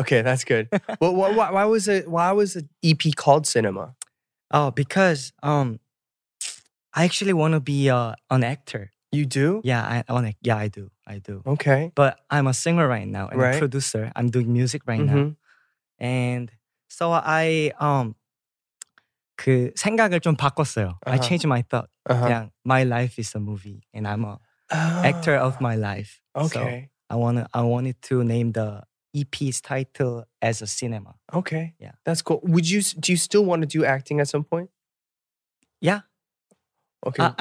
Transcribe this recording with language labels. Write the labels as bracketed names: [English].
[English] Okay, that's good. Well, why was the EP called Cinema? Oh, because I actually want to be an actor. You do? Yeah, I do. Okay. But I'm a singer right now and a producer. I'm doing music right mm-hmm. now. And so I [Korean] 그 생각을 좀 바꿨어요. [English] Uh-huh. I changed my thought. Uh-huh. Yeah, my life is a movie and I'm a actor of my life. Okay. So I wanted to name the EP's title as a cinema. Okay. Yeah. That's cool. Do you still want to do acting at some point? Yeah. Okay.